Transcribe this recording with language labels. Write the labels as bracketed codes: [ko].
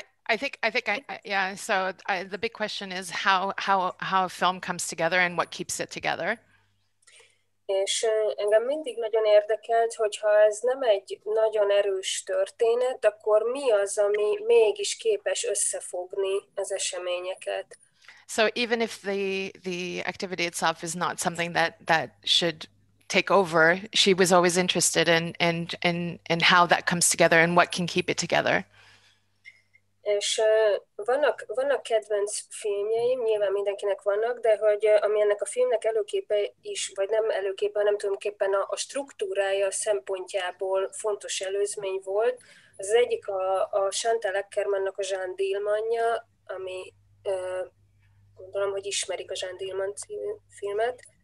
[en] The big question is how a film comes together and what keeps it together. [hu] És engem mindig nagyon érdekelt, hogyha ez nem egy nagyon erős történet, akkor mi az, ami mégis képes összefogni az eseményeket. [en] So even if the activity itself is not something that should take over, she was always interested in how that comes together and what can keep it together. [hu] És vannak kedvenc filmjeim, nyilván mindenkinek vannak, de hogy ami ennek a filmnek előképe is, vagy nem előképe, hanem tulajdonképpen a struktúrája szempontjából fontos előzmény volt. Az egyik a Chantal Ackermannak a Jean Dillmannja, ami gondolom, hogy ismerik a Jean Dillmann filmet.